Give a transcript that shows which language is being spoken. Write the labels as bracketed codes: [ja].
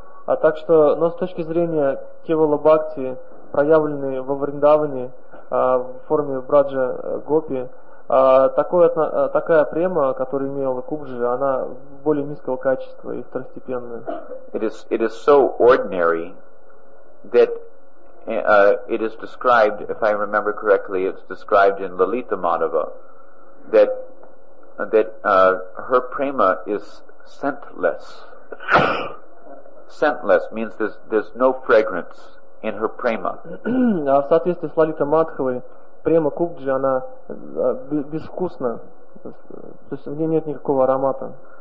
[ru] Так что, но с точки зрения Kevala Bhakti, проявленной во Вриндаване в форме Браджа Гопи, такая према, которую имела Кубджи, она более низкого качества и второстепенная. [en] It is so ordinary that it is described, if I remember correctly, it's described in Lalita Madhava, that her prema is scentless. Scentless means there's no fragrance in her prema. [ru] В соответствии с Лалита Мадхавой, према Кубджи, она безвкусна, то есть в ней нет никакого аромата.